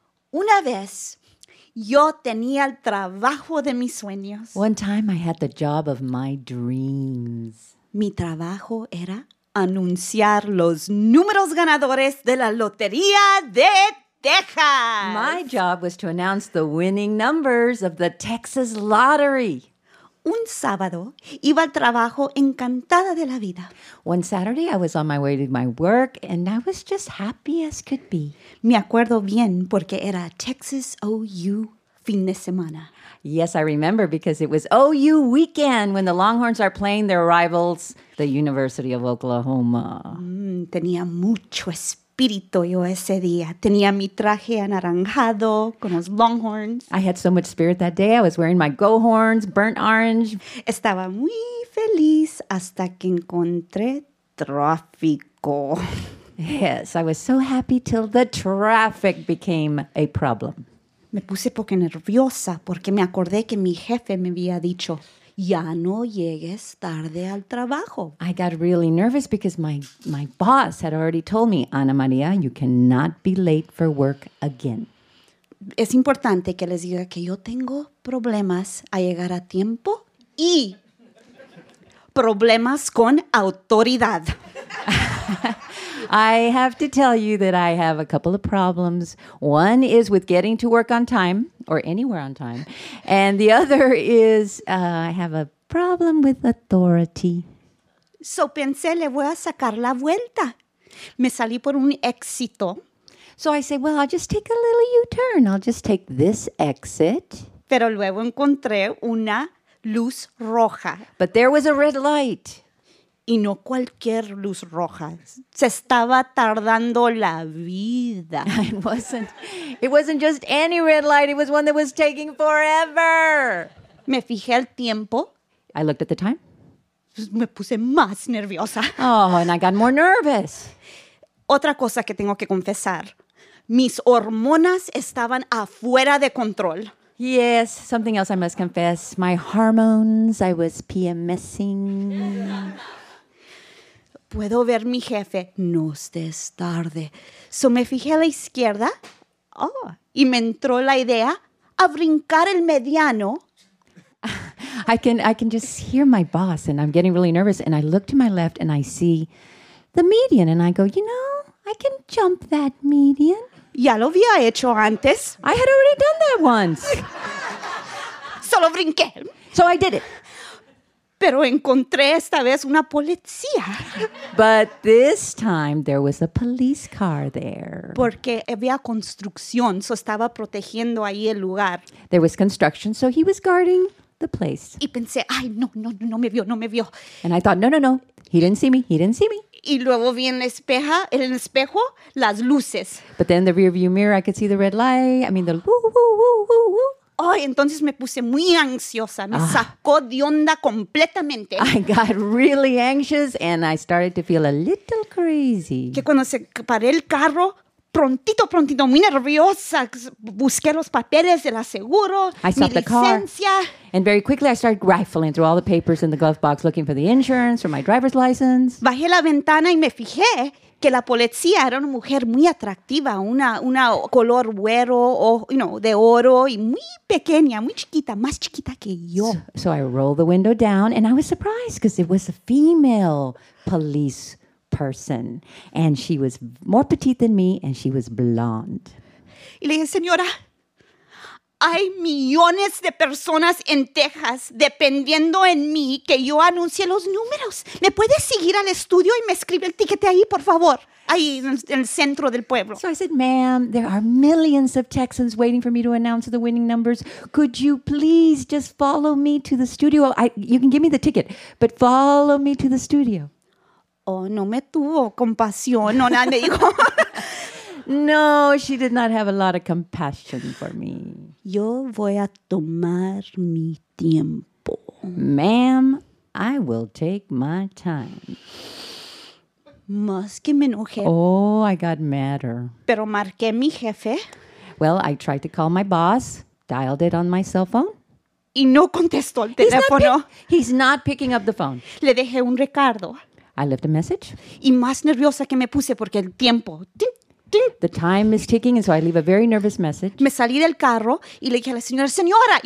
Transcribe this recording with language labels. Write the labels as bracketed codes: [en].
[es] Una vez, yo tenía el trabajo de mis sueños. [en] One time I had the job of my dreams. [es] Mi trabajo era anunciar los números ganadores de la Lotería de Texas. [en] My job was to announce the winning numbers of the Texas Lottery. [es] Un sábado, iba al trabajo encantada de la vida. [en] One Saturday, I was on my way to my work, and I was just happy as could be. [es] Me acuerdo bien porque era Texas OU fin de semana. [en] Yes, I remember because it was OU weekend when the Longhorns are playing their rivals, the University of Oklahoma. [es] Tenía mucho espíritu yo ese día. Tenía mi traje anaranjado con los Longhorns. [en] I had so much spirit that day. I was wearing my Go-Horns, burnt orange. [es] Estaba muy feliz hasta que encontré tráfico. [en] Yes, I was so happy till the traffic became a problem. [es] Me puse poco nerviosa porque me acordé que mi jefe me había dicho, ya no llegues tarde al trabajo. [en] I got really nervous because my boss had already told me, Ana María, you cannot be late for work again. [es] Es importante que les diga que yo tengo problemas a llegar a tiempo y problemas con autoridad. [en] I have to tell you that I have a couple of problems. One is with getting to work on time, or anywhere on time. And the other is I have a problem with authority. [es] So pensé, le voy a sacar la vuelta. Me salí por un éxito. [en] So I say, well, I'll just take a little U-turn. I'll just take this exit. [es] Pero luego encontré una luz roja. [en] But there was a red light. [es] Y no cualquier luz roja. Se estaba tardando la vida. [en] It wasn't just any red light. It was one that was taking forever. [es] Me fijé el tiempo. [en] I looked at the time. [es] Me puse más nerviosa. [en] Oh, and I got more nervous. [es] Otra cosa que tengo que confesar. Mis hormonas estaban afuera de control. [en] Yes, something else I must confess. My hormones, I was PMSing. [es] Puedo ver mi jefe. No estés tarde. So me fijé a la izquierda. Oh, y me entró la idea a brincar el mediano. [en] I can just hear my boss, and I'm getting really nervous, and I look to my left, and I see the median, and I go, you know, I can jump that median. [es] Ya lo había hecho antes. [en] I had already done that once. [es] Solo brinqué. [en] So I did it. [es] Pero encontré esta vez una policía. [en] But this time there was a police car there. [es] Porque había construcción, so estaba protegiendo ahí el lugar. [en] There was construction, so he was guarding the place. [es] Y pensé, ay, no me vio, no me vio. [en] And I thought, no, he didn't see me. [es] Y luego vi en la espeja, en el espejo, las luces. [en] But then the rearview mirror, I could see the red light. I mean, the woo, woo, woo, woo, woo. [es] Oh, entonces me puse muy ansiosa. Me sacó de onda completamente. [en] I got really anxious and I started to feel a little crazy. [es] Que cuando se paré el carro, prontito, muy nerviosa, busqué los papeles del aseguro, [en] I stopped [es] mi licencia. [en] The car, and very quickly I started rifling through all the papers in the glove box looking for the insurance, for my driver's license. [es] Bajé la ventana y me fijé que la policía era una mujer muy atractiva, una color güero, de oro, y muy pequeña, muy chiquita, más chiquita que yo. [en] So I rolled the window down, and I was surprised because it was a female police person. And she was more petite than me, and she was blonde. [es] Y le dije, señora, hay millones de personas en Texas dependiendo en mí que yo anuncie los números. ¿Me puedes seguir al estudio y me escribe el ticket ahí, por favor? Ahí en el centro del pueblo. [en] So I said, ma'am, there are millions of Texans waiting for me to announce the winning numbers. Could you please just follow me to the studio? You can give me the ticket, but follow me to the studio. [es] Oh, no me tuvo compasión. No, nada, me dijo... [en] No, she did not have a lot of compassion for me. [es] Yo voy a tomar mi tiempo. [en] Ma'am, I will take my time. [es] Más que me enojé. [en] Oh, I got madder. [es] Pero marqué mi jefe. [en] Well, I tried to call my boss, dialed it on my cell phone. [es] Y no contestó el teléfono. [en] He's not picking up the phone. [es] Le dejé un recado. [en] I left a message. [es] Y más nerviosa que me puse porque el tiempo... [en] The time is ticking, and so I leave a very nervous message. [es] Me salí del carro y le dije a la señora, señora.